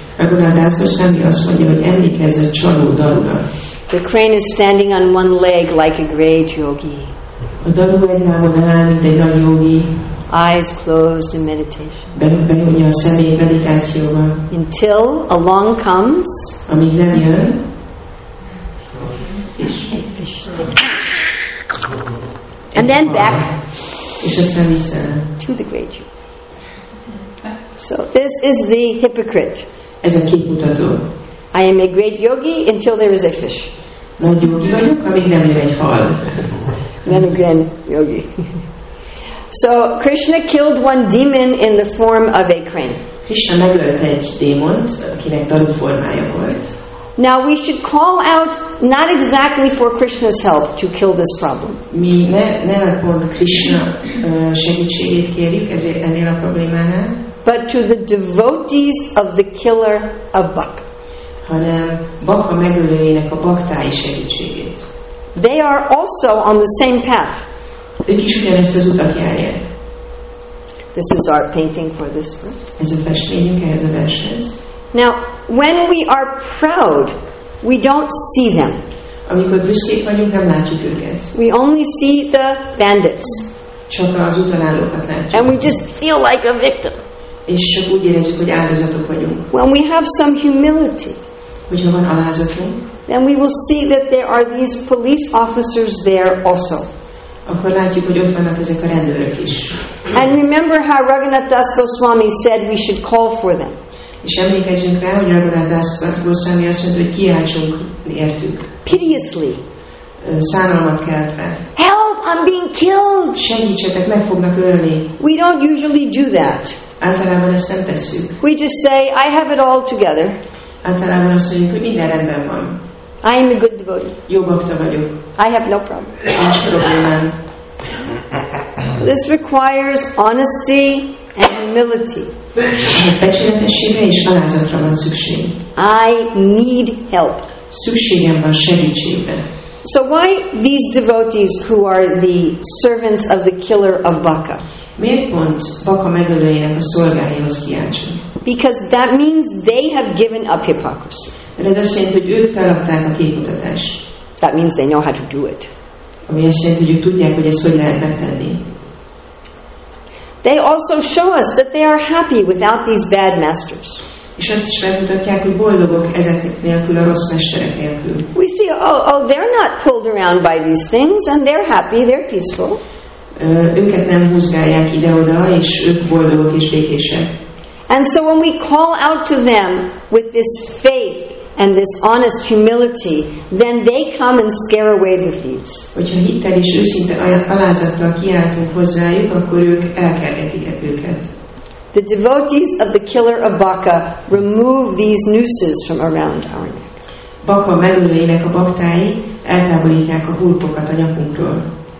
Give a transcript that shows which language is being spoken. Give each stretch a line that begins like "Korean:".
Hungarian: Raghunath Das Goswami azt mondja, hogy emlékezz a csaló daruna.
English: The crane is standing on one leg like a great yogi.
Hungarian: A daru egy lábon áll, mint egy nagy yogi.
English: Eyes closed in meditation.
Hungarian: Behunja a szemé meditációba.
English: Until along comes.
Hungarian: Amíg nem jön.
English: Fish. And then back.
Hungarian: És aztán vissza.
English: To the great yogi. So this is the hypocrite.
Hungarian: Ez a képmutató.
English: I am a great yogi until there is a fish.
Hungarian: Nagy yogi vagyok, amíg nem jön egy hal.
English: Then again, yogi. So Krishna killed one demon in the form of a crane.
Hungarian: Krishna megölt egy démont, akinek daru formája volt.
English: Now we should call out not exactly for Krishna's help to kill this problem.
Hungarian: Mi nem pont Krishna segítségét kérjük ezért ennél a problémánál.
English: But to the devotees of the killer of Bak.
Hungarian: Hanem Bakka megölőjének a baktái segítségét.
English: They are also on the same path.
Hungarian: Ők is ugyanezt az utat járják.
English: This is our painting for this verse.
Hungarian: Ez a festményünk ehhez a vershez.
English: Now, when we are proud, we don't see them.
Hungarian: Amikor büszkék vagyunk, nem látjuk őket.
English: We only see the bandits.
Hungarian: Csak az utalállókat látjuk.
English: And we just feel like a victim.
Hungarian: És csak úgy érezzük, hogy áldozatok vagyunk.
English: When we have some humility,
Hungarian: hogyha van alázatunk,
English: then we will see that there are these police officers there also.
Hungarian: Akkor látjuk, hogy ott vannak ezek a rendőrök is.
English: And remember how Raghunath Das Goswami said we should call for them.
Hungarian: És emlékezzünk rá, hogy Raghunath Das Goswami azt mondta, hogy kiáltsunk értük.
English: Piteously.
Hungarian: Szánalmat keltve.
English: Help, I'm being killed.
Hungarian: Segítsetek, meg fognak ölni.
English: We don't usually do that.
Hungarian: Általában ezt nem tesszük.
English: We just say, I have it all together.
Hungarian: Általában azt mondjuk, hogy minden rendben van.
English: I am a good devotee.
Hungarian: Jó bakta vagyok.
English: I have no problem.
Hungarian: Nincs problémám.
English: This requires honesty and humility.
Hungarian: Becsületességre és alázatra van szükség.
English: I need help.
Hungarian: Szükségem van segítségre.
English: So why these devotees who are the servants of the killer of Baka?
Hungarian: Miért pont Baka megölőjének a szolgájához kiáltsunk?
English: Because that means they have given up hypocrisy.
Hungarian: De ez azt jelenti, hogy ők feladták a képmutatást.
English: That means they know how to do it.
Hungarian: Ami azt jelenti, hogy ők tudják, hogy ezt hogy lehet megtenni.
English: They also show us that they are happy without these bad masters.
Hungarian: És azt is megmutatják, hogy boldogok ezek nélkül, a rossz mesterek nélkül.
English: We see, oh, they're not pulled around by these things, and they're happy, they're peaceful.
Hungarian: Őket nem húzgálják ide-oda, és ők boldogok és békések.
English: And so when we call out to them with this faith and this honest humility, then they come and scare away the thieves.
Hungarian: Hogyha hittel és őszinte alázattal kiáltunk hozzájuk, akkor ők elkerítik őket.
English: The devotees of the killer of Baka remove these nooses from around our neck.
Hungarian: Baka megölőjének a baktái eltávolítják a hurpokat a nyakunkról.